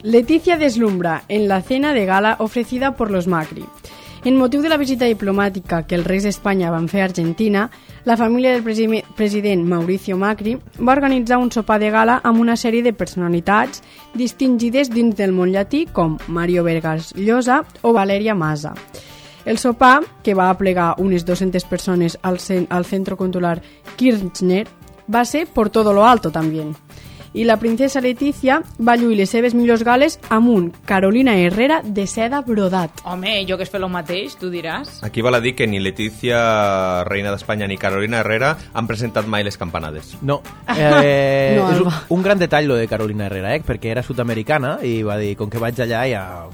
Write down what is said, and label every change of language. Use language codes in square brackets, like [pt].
[es] Leticia deslumbra en la cena de gala ofrecida por los Macri. [ca] En motiu de la visita diplomàtica que els reis d'Espanya van fer a Argentina, la família del president Mauricio Macri va organitzar un sopar de gala amb una sèrie de personalitats distingides dins del món llatí com Mario Vargas Llosa o Valeria Massa. El sopar, que va aplegar unes 200 persones al centre cultural Kirchner, va ser [es] por todo lo alto también. [ca] I la princesa Letícia va lluir les seves millors gales amb un Carolina Herrera de seda brodat. Home, jo que es fes el mateix, tu diràs. Aquí val a dir que ni Letícia, reina d'Espanya, ni Carolina Herrera han presentat mai les campanades. No. No, és un gran detall, lo de Carolina Herrera, perquè era sud-americana i va dir, com que vaig allà, ja...